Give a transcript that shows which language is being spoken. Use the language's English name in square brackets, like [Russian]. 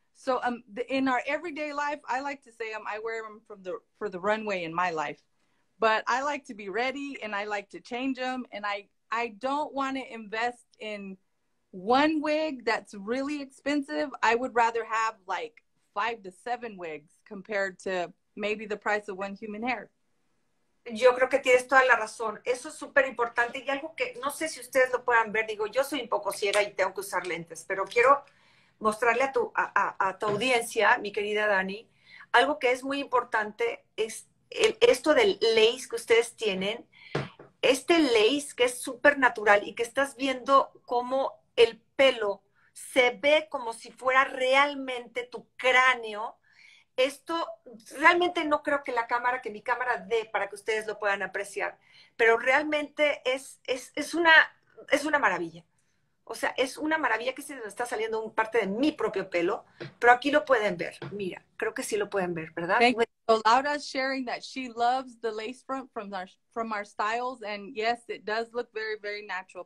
[English] So in our everyday life, I like to say I wear them for the runway in my life, but I like to be ready and I like to change them. And I don't want to invest in one wig that's really expensive. I would rather have like 5 to 7 wigs compared to maybe the price of one human hair. [Spanish] Yo creo que tienes toda la razón. Eso es súper importante. Y algo que no sé si ustedes lo puedan ver, digo, yo soy un poco ciega y tengo que usar lentes, pero quiero mostrarle a tu audiencia, mi querida Dani, algo que es muy importante es esto del lace que ustedes tienen. Este lace que es súper natural y que estás viendo cómo el pelo se ve como si fuera realmente tu cráneo. Esto realmente no creo que la cámara, que mi cámara dé para que ustedes lo puedan apreciar, pero realmente es una maravilla. O sea, es una maravilla que se nos está saliendo un parte de mi propio pelo, pero aquí lo pueden ver. Mira, creo que sí lo pueden ver, ¿verdad? [English] Thank you. So Laura's sharing that she loves the lace front from our styles, and yes, it does look very, very natural.